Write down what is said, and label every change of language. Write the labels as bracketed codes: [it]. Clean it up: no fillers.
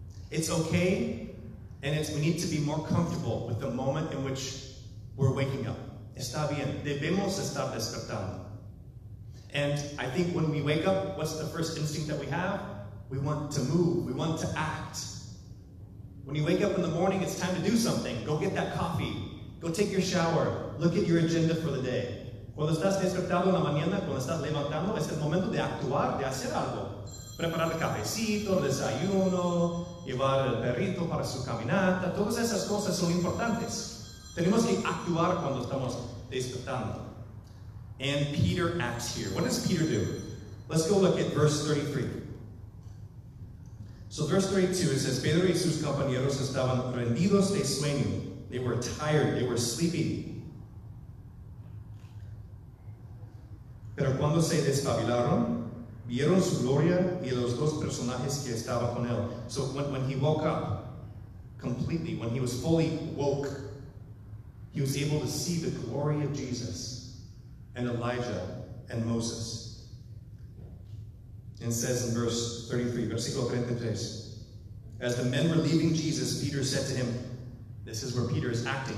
[en] It's okay, and we need to be more comfortable with the moment in which we're waking up. [es] Está bien. Debemos estar despertando. [en] And I think when we wake up, what's the first instinct that we have? We want to move. We want to act. When you wake up in the morning, it's time to do something. Go get that coffee. Go take your shower. Look at your agenda for the day. [es] Cuando estás despertado en la mañana, cuando estás levantando, es el momento de actuar, de hacer algo. Preparar el cafecito, el desayuno, llevar el perrito para su caminata. Todas esas cosas son importantes. Tenemos que actuar cuando estamos despertando. [en] And Peter acts here. What does Peter do? Let's go look at verse 33. So verse 32, it says, [es] Pedro y sus compañeros estaban rendidos de sueño. [en] They were tired. They were sleepy. [es] Pero cuando se despabilaron, vieron su gloria y los dos personajes que estaban con él. [en] So when he woke up completely, when he was fully woke, he was able to see the glory of Jesus and Elijah and Moses. And says in verse 33, versículo 33, as the men were leaving Jesus, Peter said to him, this is where Peter is acting.